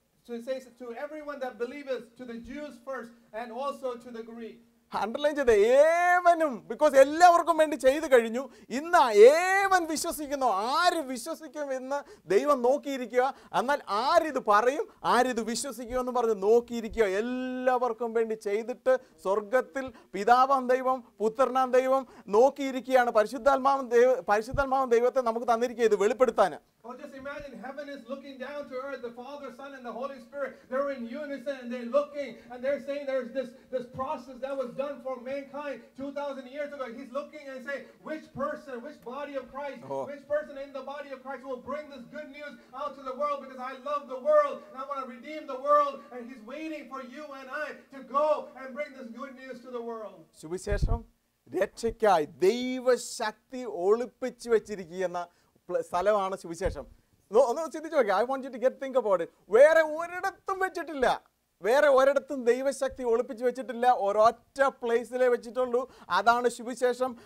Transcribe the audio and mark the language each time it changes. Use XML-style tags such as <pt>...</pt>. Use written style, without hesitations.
<en>So it says to everyone that believeth, to the Jews first and also to the Greek.</en> <ml>Underline ചെയ്ത് ഏവനും, because എല്ലാവർക്കും വേണ്ടി ചെയ്ത് കഴിഞ്ഞു. ഇന്ന് ഏവൻ വിശ്വസിക്കുന്നു, ആര് വിശ്വസിക്കും എന്ന് ദൈവം നോക്കിയിരിക്കുക. എന്നാൽ ആരിത് പറയും, ആരിത് വിശ്വസിക്കും എന്ന് പറഞ്ഞ് നോക്കിയിരിക്കുക. എല്ലാവർക്കും വേണ്ടി ചെയ്തിട്ട് സ്വർഗത്തിൽ പിതാവാം ദൈവം, പുത്രനാം ദൈവം നോക്കിയിരിക്കുകയാണ്. പരിശുദ്ധാത്മാവ് ദൈവത്തെ നമുക്ക് തന്നിരിക്കുക ഇത് വെളിപ്പെടുത്താൻ.</ml> <en>Well, just imagine heaven is looking down to earth, the Father, Son, and the Holy Spirit. They're in unison, and they're looking, and they're saying there's this process that was done for mankind 2,000 years ago. He's looking and saying, which person, which body of Christ, which person in the body of Christ will bring this good news out to the world? Because I love the world, and I want to redeem the world. And he's waiting for you and I to go and bring this good news to the world. Should we say something?</en> <ml>രക്ഷയ്ക്കായി ദൈവശക്തി ഒളിപ്പിച്ചു വെച്ചിരിക്കുന്ന സ്ഥലമാണ് സുവിശേഷം. ഒന്ന് ചിന്തിച്ചു നോക്കി,</ml> <en>I want you to get think about it.</en> <ml>വേറെ ഒരിടത്തും വെച്ചിട്ടില്ല, വേറെ ഒരിടത്തും ദൈവശക്തി ഒളിപ്പിച്ചു വെച്ചിട്ടില്ല, ഒരൊറ്റ പ്ലേസിലേ വെച്ചിട്ടുള്ളൂ. അതാണ് സുവിശേഷം.</ml>